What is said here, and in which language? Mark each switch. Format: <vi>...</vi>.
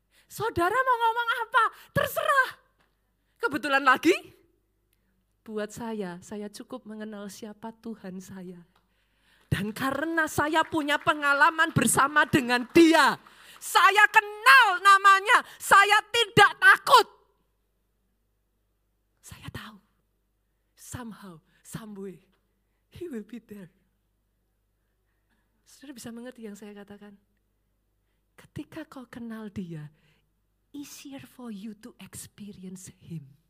<id>Saudara mau ngomong apa? Terserah. Kebetulan lagi, buat saya cukup mengenal siapa Tuhan saya. Dan karena saya punya pengalaman bersama dengan dia, saya kenal namanya, saya tidak takut. Saya tahu.</id> <en>Somehow, someway, he will be there.</en> <id>Saudara bisa mengerti yang saya katakan? Ketika kau kenal dia,</id> <en>easier for you to experience him.</en>